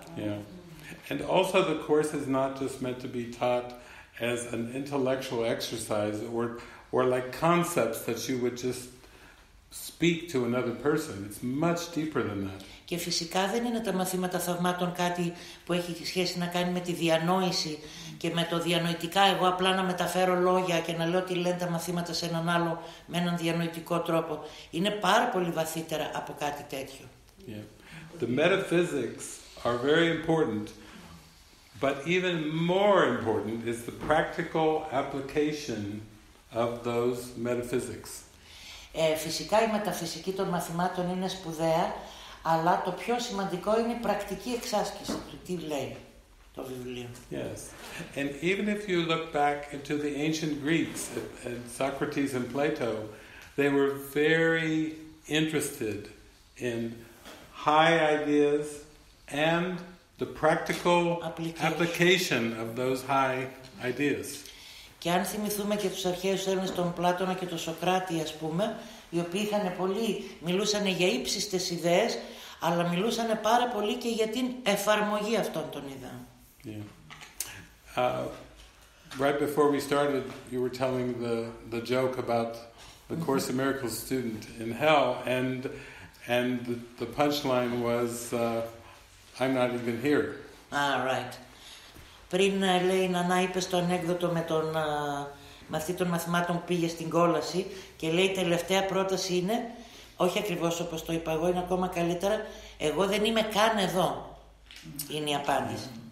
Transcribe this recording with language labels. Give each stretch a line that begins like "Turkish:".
English: Yeah. And also the course is not just meant to be taught as an intellectual exercise or like concepts that you would just speak to another person. It's much deeper than that.
Greek: Και φυσικά δεν είναι τα μαθήματα θαυμάτων κάτι που έχει σχέση να κάνει με τη διανόηση και με το διανοητικά. Εγώ απλά να μεταφέρω λόγια και να λέω τι λένε τα μαθήματα σε έναν άλλο με έναν διανοητικό τρόπο. Είναι πάρα πολύ βαθύτερα από κάτι τέτοιο.
English: Yeah. The metaphysics are very important. But even more important is the practical application of those metaphysics.
Greek: Φυσικά η μεταφυσική των μαθημάτων είναι σπουδαία, αλλά το πιο σημαντικό είναι η πρακτική εξάσκηση του τι λέει το βιβλίο.
English: Yes. And even if you look back into the ancient Greeks, at Socrates and Plato, they were very interested in high ideas and the practical application of those high ideas.
Greek: Και αν θυμηθούμε και τους αρχαίους Έλληνες, τον Πλάτωνα και τον Σοκράτη, ας πούμε, οι οποίοι είχαν πολύ, μιλούσαν για ύψιστες ιδέες, αλλά μιλούσαν πάρα πολύ και για την εφαρμογή αυτών των ιδεών.
English: Yeah. Right before we started, you were telling the joke about the Course in Miracles student in hell, and the punchline was, I'm not even here. Ah, right.
Greek: Πριν λέει να είπες το ανέκδοτο με τον μαθητή των μαθημάτων που πήγε στην κόλαση και λέει η τελευταία πρόταση είναι, όχι ακριβώς όπως το είπα εγώ, είναι ακόμα καλύτερα, εγώ δεν είμαι καν εδώ, είναι η απάντηση.